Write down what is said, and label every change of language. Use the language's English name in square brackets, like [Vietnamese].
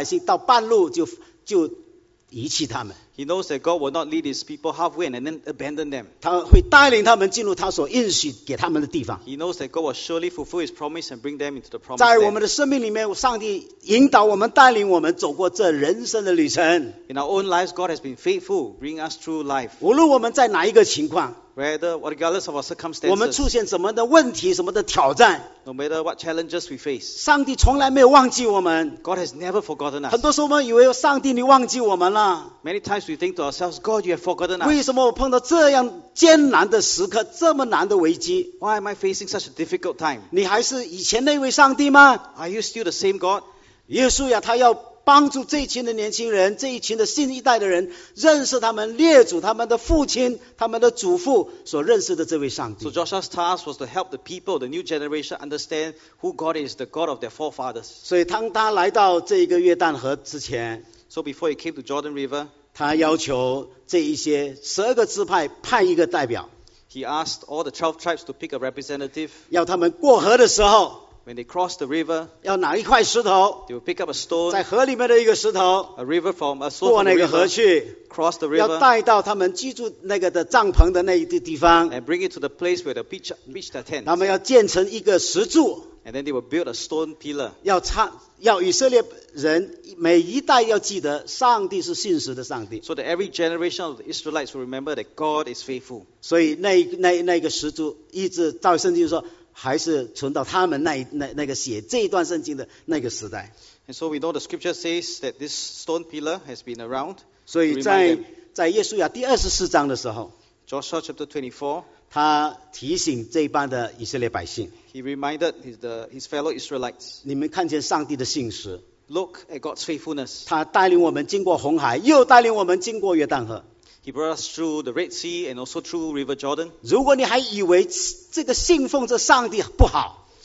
[Chinese] 他不会带领这一群的以色列百姓到半路就遗弃他们。 [English] He knows that God will not lead his people halfway and then abandon them. [Chinese] 他会带领他们进入他所应许给他们的地方。 [English] He knows that God will surely fulfill his promise and bring them into the promised [Chinese] 在我们的生命里面, 上帝引导我们, 带领我们走过这人生的旅程。 [English] In our own lives, God has been faithful, bringing us through life. [Chinese] 无论我们在哪一个情况, [English] regardless of our circumstances, [Chinese] 我们出现什么的问题, 什么的挑战, [English] no matter what challenges we face, [Chinese] 上帝从来没有忘记我们。 [English] God has never forgotten us. [Chinese] 很多时候我们以为上帝你忘记我们了。 [English] Many times we think to ourselves, God, you have forgotten us. [Chinese] 为什么我碰到这样艰难的时刻, 这么难的危机? [English] Why am I facing such a difficult time? [Chinese] 你还是以前那位上帝吗? [English] Are you still the same God? [Chinese] 耶稣呀，他要 帮助这一群的年轻人, 这一群的新一代的人, 认识他们, 列祖他们的父亲, 他们的祖父所认识的这位上帝。 [English] So Joshua's task was to help the people, the new generation, understand who God is, the God of their forefathers. [Chinese] 所以当他来到这个约旦河之前, [English] So before he came to Jordan River, [Chinese] 他要求这一些十二个支派派一个代表。 [English] He asked all the 12 tribes to pick a representative. [Chinese] 要他们过河的时候, [English] When they cross the river, [Chinese] 要拿一块石头, [English] they will pick up a stone, [Chinese] 在河里面的一个石头, [English] a river from a stone from the river, cross the river, [Chinese] 要带到他们居住那个的帐篷的那一地方, [English] and bring it to the place where they pitch their tent. [Chinese] 他们要建成一个石柱, [English] and then they will build a stone pillar. [Chinese] 要以色列人每一代要记得上帝是信实的上帝。 [English] So that every generation of the Israelites will remember that God is faithful. [Chinese] 所以那个石柱一直照圣经说, 还是存到他们那个写这一段圣经的那个时代。 [English] And so we know the scripture says that this stone pillar has been around. [Chinese] 所以在耶稣亚第24章的时候, [English] Joshua chapter 24, [Chinese] 他提醒这一班的以色列百姓, [English] he reminded his fellow Israelites, [Chinese] 你们看见上帝的信实, [English] look at God's faithfulness. [Chinese] 他带领我们经过红海, 又带领我们经过约旦河。 [English] He brought us through the Red Sea and also through River Jordan. [Chinese] 如果你还以为这个信奉着上帝不好,